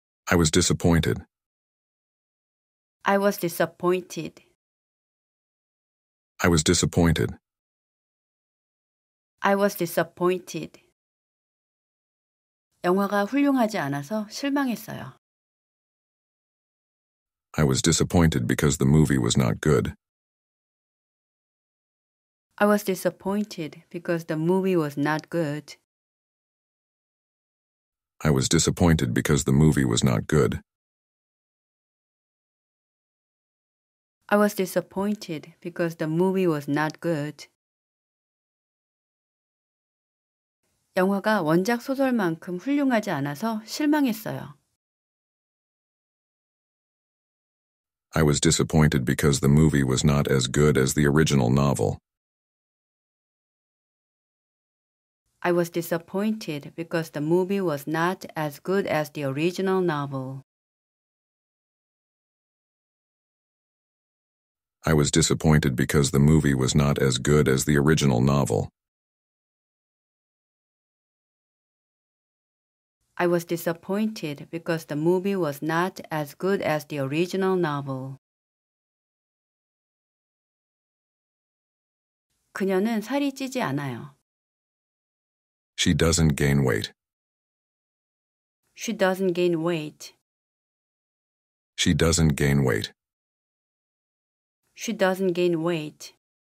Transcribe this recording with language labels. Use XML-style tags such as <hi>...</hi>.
<en>I was disappointed. I was disappointed. I was disappointed. I was disappointed.</en> <ko>영화가 훌륭하지 않아서 실망했어요.</ko> <en>I was disappointed because the movie was not good. I was disappointed because the movie was not good. I was disappointed because the movie was not good. I was disappointed because the movie was not good.</en> <ko>영화가 원작 소설만큼 훌륭하지 않아서 실망했어요.</ko> <en>I was disappointed because the movie was not as good as the original novel. I was disappointed because the movie was not as good as the original novel. I was disappointed because the movie was not as good as the original novel. I was disappointed because the movie was not as good as the original novel.</en> <ko>그녀는 살이 찌지 않아요.</ko> <en>She doesn't gain weight. She doesn't gain weight. She doesn't gain weight. She doesn't gain weight.</en>